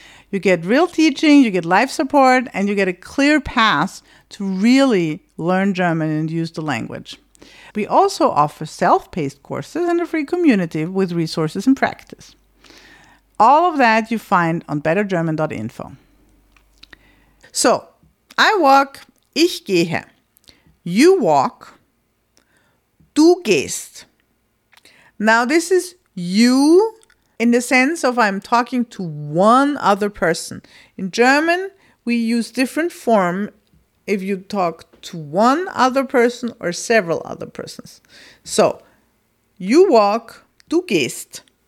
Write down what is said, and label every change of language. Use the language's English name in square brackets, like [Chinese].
[English] You get real teaching, you get live support, and you get a clear path to really learn German and use the language. We also offer self-paced courses and a free community with resources and practice. All of that you find on bettergerman.info. So, I walk, [German] ich gehe, [English] you walk, [German] du gehst. [English] Now, this is you in the sense of I'm talking to one other person. In German, we use different form if you talk to one other person or several other persons. So, you walk, [German] du gehst.